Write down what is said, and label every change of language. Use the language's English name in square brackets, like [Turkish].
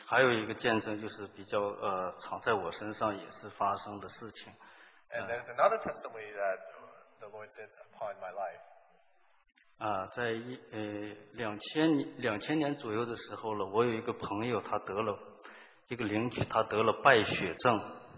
[Chinese] 还有一个见证就是比较藏在我身上也是发生的事情。 [English] And there's another testimony that the Lord did upon my life. [Chinese] 啊，在两千年左右的时候了，我有一个朋友，他得了一个邻居，他得了败血症。